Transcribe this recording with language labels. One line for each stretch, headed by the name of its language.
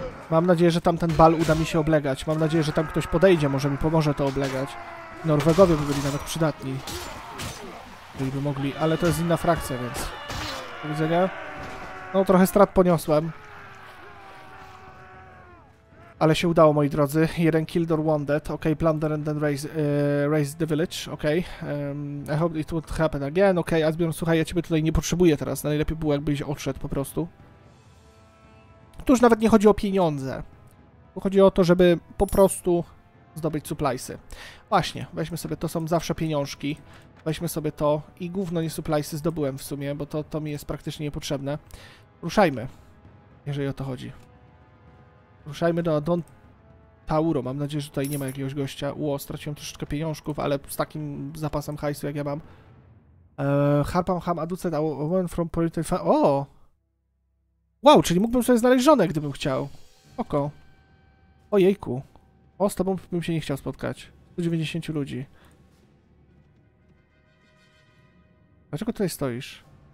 Polish: Mam nadzieję, że tamten bal uda mi się oblegać. Mam nadzieję, że tam ktoś podejdzie, może mi pomoże to oblegać. Norwegowie by byli nawet przydatni. Byliby mogli, ale to jest inna frakcja, więc... Do widzenia. No, trochę strat poniosłem. Ale się udało, moi drodzy.
English: Jeden killed or wounded. Ok, plunder and then raise the village. Ok. I hope it won't happen again.
Polish: Ok, Asbjorn, słuchaj, ja ciebie tutaj nie potrzebuję teraz. Najlepiej było, jakbyś odszedł po prostu. Tu już nawet nie chodzi o pieniądze. Tu chodzi o to, żeby po prostu zdobyć supplies'y. Właśnie, weźmy sobie, to są zawsze pieniążki. Weźmy sobie to i gówno nie supplies'y zdobyłem w sumie, bo to mi jest praktycznie niepotrzebne. Ruszajmy, jeżeli o to chodzi. Ruszajmy do Don Tauro. Mam nadzieję, że tutaj nie ma jakiegoś gościa. Ło, straciłem troszeczkę pieniążków, ale z takim zapasem hajsu, jak ja mam. Harpam ham aducet,
English: a woman from political fan...
Polish: O! Wow, czyli mógłbym sobie znaleźć żonę, gdybym chciał. Oko. Ojejku. O, z tobą bym się nie chciał spotkać. 190 ludzi. Dlaczego tutaj stoisz?